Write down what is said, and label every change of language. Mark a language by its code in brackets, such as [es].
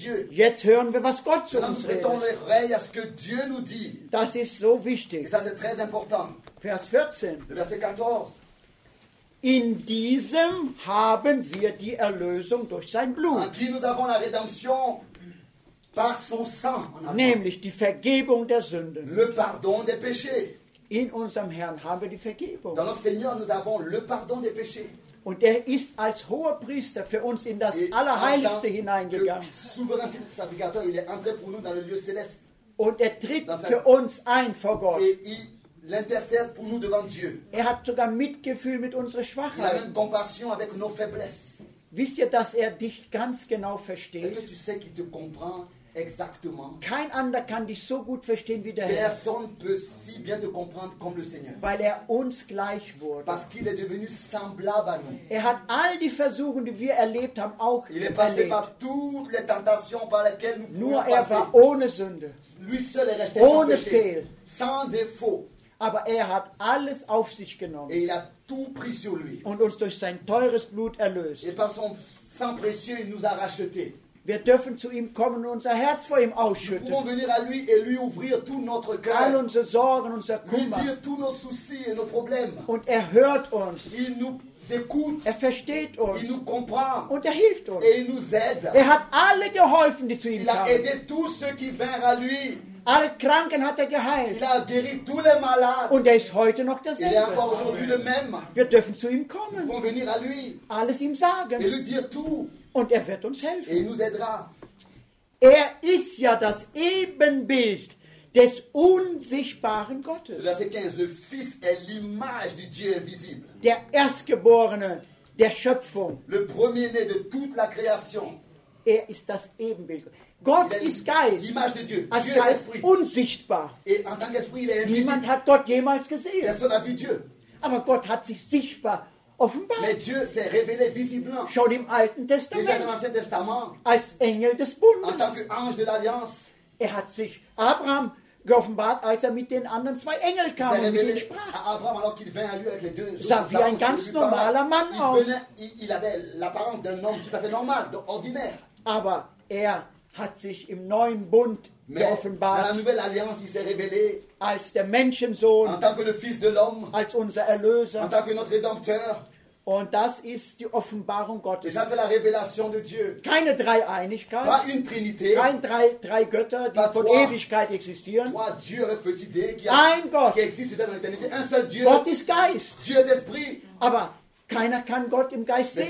[de] Jetzt hören wir, was Gott zu uns redet. Das ist so wichtig. Vers 14. [fr] Verset 14. [de] In diesem haben wir die Erlösung durch sein Blut. [fr] En qui nous avons la rédemption par son sang. [de] Nämlich die Vergebung der Sünden. [fr] Le pardon des péchés. [de] In unserem Herrn haben wir die Vergebung. [fr] Dans notre Seigneur, nous avons le pardon des péchés. [de] Und er ist als hoher Priester für uns in das [fr] et [de] Allerheiligste hineingegangen. [fr] Souverain sacrificateur, il est entré pour nous dans le lieu céleste. [de] Und er tritt für uns ein vor Gott. [fr] L'intercède pour nous devant Dieu. [de] Er hat sogar Mitgefühl mit unserer Schwachheit. [fr] Il a même compassion avec nos faiblesses. [de] Wisst ihr, dass er dich ganz genau versteht? [fr] Est-ce que tu sais qu'il te comprend exactement? [de] Kein anderer kann dich so gut verstehen wie der Herr. [fr] Personne peut si bien te comprendre comme le Seigneur. [de] Weil er uns gleich wurde. [fr] Parce qu'il est devenu semblable à nous. [de] Er hat all die Versuche, die wir erlebt haben, auch [fr] erlebt. Il est passé par toutes les tentations par lesquelles nous pouvons passer. [de] Nur er war ohne Sünde. [fr] Lui seul est resté [de] ohne Fehl. [fr] Sans défaut. [de] Aber er hat alles auf sich genommen. [fr] Et il a tout pris sur lui. [de] Und uns durch sein teures Blut erlöst. [fr] Et par son sang précieux, il nous a racheté. [de] Wir dürfen zu ihm kommen und unser Herz vor ihm ausschütten. [fr] Nous pouvons venir à lui et lui ouvrir tout notre cœur. [de] All unsere Sorgen, unser Kummer. [fr] Lui dire tous nos soucis et nos problèmes. [de] Und er hört uns. [fr] Il nous écoute. [de] Er versteht uns. [fr] Il nous comprend. [de] Und er hilft uns. [fr] Et il nous aide. [de] Er hat alle geholfen, die zu ihm [fr] il [de] kamen. [fr] Il a aidé tous ceux qui vinrent à lui. [de] Alle Kranken hat er geheilt. [fr] Il a guéri tous les malades. [de] Und er ist heute noch derselbe. [fr] Il est encore aujourd'hui le même. [de] Wir dürfen zu ihm kommen. [fr] Nous pouvons venir à lui. [de] Alles ihm sagen. [fr] Et lui dire tout. [de] Und er wird uns helfen. [fr] Et il nous aidera. [de] Er ist ja das Ebenbild des unsichtbaren Gottes. [fr] Verset 15. Le Fils est l'image du Dieu invisible. [de] Der Erstgeborene der Schöpfung. [fr] Le premier-né de toute la création. [de] Er ist das Ebenbild Gottes. Gott ist Geist. [fr] L'image de Dieu. [de] Als Geist unsichtbar. [fr] Et en tant qu'esprit, il est invisible. [de] Niemand hat Gott jemals gesehen. [fr] Personne n'a vu Dieu. [de] Aber Gott hat sich sichtbar offenbart. [fr] Mais Dieu s'est révélé visiblement. [de] Schon im Alten Testament. [fr] Déjà dans l'Ancien Testament. [de] Als Engel des Bundes. [fr] En tant qu'ange de l'Alliance. [de] Er hat sich Abraham geoffenbart, als er mit den anderen zwei Engeln kam und mit ihnen sprach. [fr] Abraham, alors qu'il vint à lui avec les deux. [de] Sah wie ein ganz normaler Mann aus. [fr] Il avait l'apparence d'un homme tout à fait normal, ordinaire. [de] Aber er hat sich im neuen Bund geoffenbart. [fr] Dans la nouvelle alliance, il s'est révélé. [de] Als der Menschensohn. [fr] En tant que le fils de l'homme. [de] Als unser Erlöser. [fr] En tant que notre rédempteur. [de] Und das ist die Offenbarung Gottes. [fr] Et ça, c'est la révélation de Dieu. [de] Keine Dreieinigkeit. [fr] Pas une Trinité. [de] Kein drei Götter, die [fr] pas [de] von [fr] trois, [de] Ewigkeit existieren. [fr] Trois Dieu avec petit D, qui [de] a, ein Gott. [fr] Qui existe dans l'éternité. Un seul Dieu. [de] Gott ist Geist. [fr] Dieu est esprit. [de] Aber keiner kann Gott im Geist sehen.